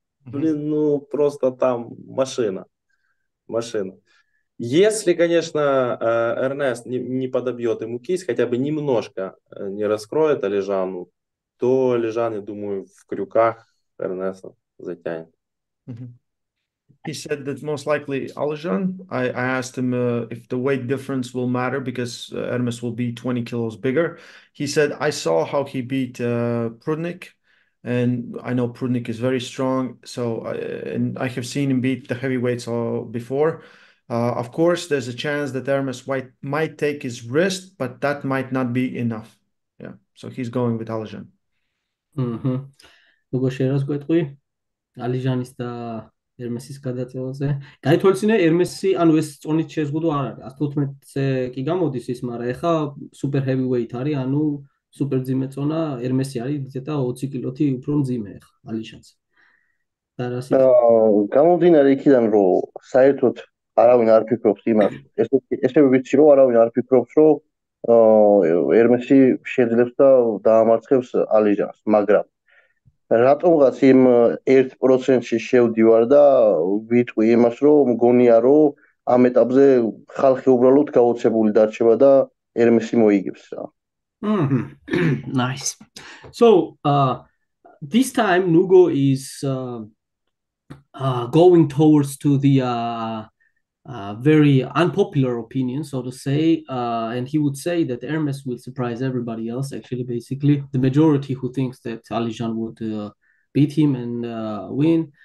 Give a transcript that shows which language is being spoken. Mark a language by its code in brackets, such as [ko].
[ru] Блин, ну просто там машина. Машина. Если, конечно, Эрнест не подобьет ему кисть, хотя бы немножко не раскроет Алижану, то Алижан, я думаю, в крюках Эрнеста затянет. [en] He said that most likely Alijan. I asked him if the weight difference will matter because Hermes will be 20 kilos bigger. He said, I saw how he beat Prudnik, and I know Prudnik is very strong. And I have seen him beat the heavyweights before. Of course, there's a chance that Hermes might take his wrist, but that might not be enough. Yeah, so he's going with Alijan. [ka] Გოშერას გვეტყვი ალიჟანის და ერმესის გადაწევაზე. გაითვალისწინე ერმესი, ანუ ეს წონით შეზღუდვა არ არის. 115-ზე კი გამოდის ის, მაგრამ ეხა სუპერ ჰევი ვეით არის, ანუ სუპერ მძიმე წონა ერმესი არის ზედა 20 კილოთი უფრო მძიმე ეხა ალიჟანს. და რა სიტყვა. გამომდინარე იქიდან, რომ საერთოდ არავინ არ ფიქრობს იმას, ესე ვიცი, რომ არავინ არ ფიქრობს, რომ ერმესი შეძლებს და დაამარცხებს ალიჟანს, მაგრამ რატომღაც იმ 1%-ში შევდივარ და ვიტყვი იმას, რომ მგონია, რომ ამ ეტაპზე ხალხი უბრალოდ გაოცებული დარჩება და ერმესი მოიგებს რა. [en] Nice. So this time Nugo is going towards to the very unpopular opinion, so to say, and he would say that Hermes will surprise everybody else, actually, basically the majority who thinks that Alijan would beat him and win.